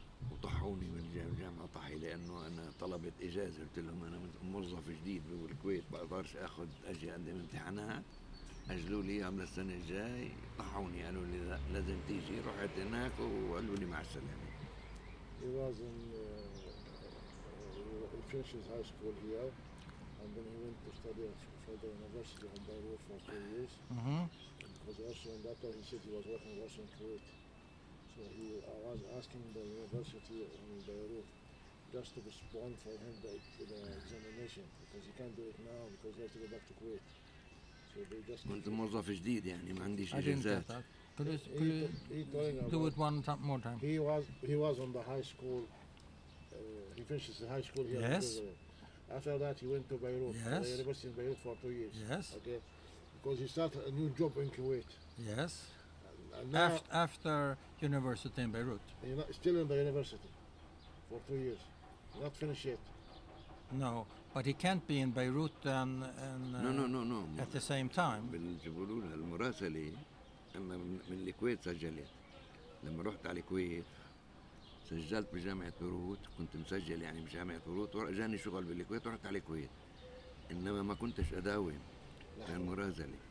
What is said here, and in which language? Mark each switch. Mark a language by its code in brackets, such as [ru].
[ar] وطحوني من الجامعة طحي لأنه أنا طلبت إجازة قلت لهم أنا موظف جديد بالكويت بقدرش أخذ أجي عندي امتحانات أجلوا لي يوم للسنة الجاي طحوني قالوا لي لازم تيجي رحت هناك وقالوا لي مع السلامة. [en] He was in he finished his high school here and then he went to study at Federal University in Beirut for 2 years because also in that time he said he was working also in Kuwait. So he was asking the university in Beirut just to respond for him the examination because he can't do it now because he has to go back to Kuwait. So they just. [ar] كنت موظف جديد يعني ما عنديش إجازات. [en] Do it one time more time. He was on the high school. He finished the high school here. Yes. After that, he went to Beirut. Yes. The university in Beirut for 2 years. Yes. Okay. Because he started a new job in Kuwait. Yes. After university in Beirut? Still in the university for 2 years. Not finished yet. No, but he can't be in Beirut and no. At the same time. [ar] بالجبولون المراسلة أما من الكويت سجلت. لما رحت على الكويت سجلت بجامعة بيروت كنت مسجل يعني بجامعة بيروت ورجاني شغل بالكويت ورحت على الكويت. إنما ما كنتش أداوم في المراسلة.